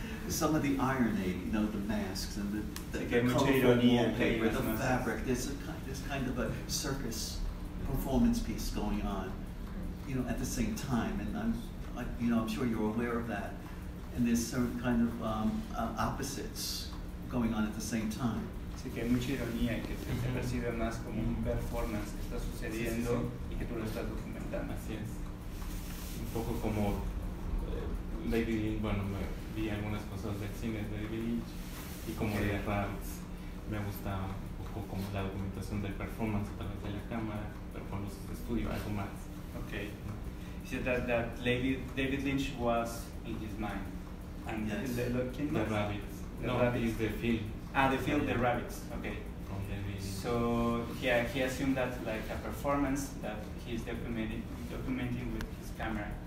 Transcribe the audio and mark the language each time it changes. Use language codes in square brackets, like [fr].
[en] Some of the irony, you know, the masks and the wallpaper, the fabric. There's kind of a circus performance piece going on, you know, at the same time. And I'm sure you're aware of that. And there's some kind of opposites going on at the same time. [es] Sí, que hay mucha ironía y que se percibe más como un performance que está sucediendo y que tú lo estás documentando. Así es. Un poco como David Lynch, bueno, me vi algunas cosas del cine de David Lynch y como de rites. Me gusta un poco como la documentación del performance a través de la cámara, pero con los estudios, algo más. [en] Ok. He said that David Lynch was in his mind. And yes. The rabbits. It's the film. Ah, the film, the rabbits. Okay. So he assumed that like a performance that he's documenting with his camera.